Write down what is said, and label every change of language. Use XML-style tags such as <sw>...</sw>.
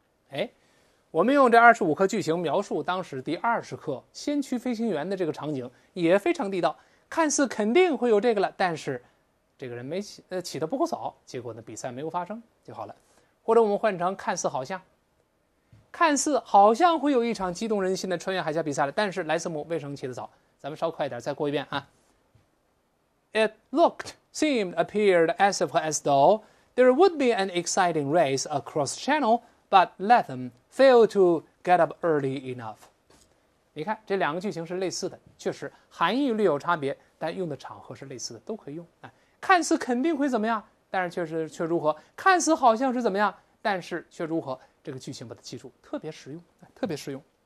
<zh>哎，我们用这二十五课句型描述当时第二十课先驱飞行员的这个场景，也非常地道，看似肯定会有这个了，但是这个人没 起得不够早，结果呢比赛没有发生就好了。或者我们换成看似好像，看似好像会有一场激动人心的穿越海峡比赛了，但是莱斯姆为什么起得早？咱们稍快一点再过一遍啊。</zh> <en>It looked, seemed, appeared as if as though there would be an exciting race across channel, but Latham failed to get up early enough。</en> <zh>你看这两个句型是类似的，确实含义略有差别，但用的场合是类似的，都可以用、哎、看似肯定会怎么样，但是却如何，看似好像是怎么样，但是却如何，这个句型把它记住特别实用、哎、特别实用。</zh>